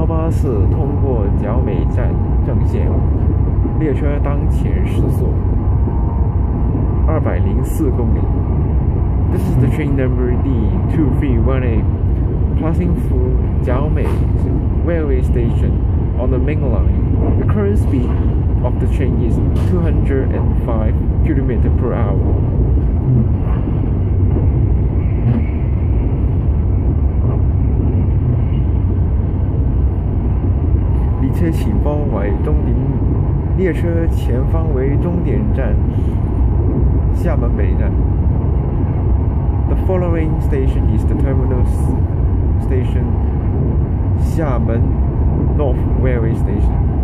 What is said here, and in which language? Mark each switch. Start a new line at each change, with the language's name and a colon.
Chinese: 次通过角美站正线，列车当前时速204公里。
English: This is the train number D2318, passing through 角美 railway station on the main line. The current speed of the train is 205 km/h.
Chinese: 列车前方为终点，列车前方为终点站厦门北站。
English: The following station is the terminal station, 厦门 North Railway Station.